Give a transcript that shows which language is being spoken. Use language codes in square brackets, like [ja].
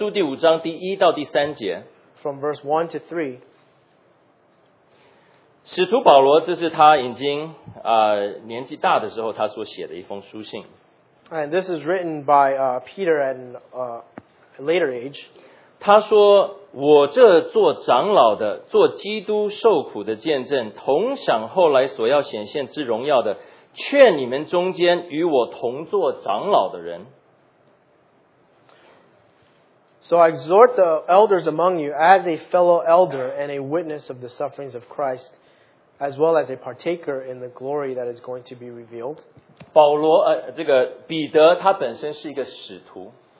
[zh] 彼得前书第五章第一到第三节。 [en] From verse 1 to 3. [zh] 使徒保罗这是他已经年纪大的时候他所写的一封书信。 [en] And this is written by Peter at a later age. [zh] 他说,我这做长老的,做基督受苦的见证,同享后来所要显现之荣耀的,劝你们中间与我同做长老的人。 [en] So I exhort the elders among you as a fellow elder and a witness of the sufferings of Christ, as well as a partaker in the glory that is going to be revealed. [zh] 保罗，这个彼得他本身是一个使徒。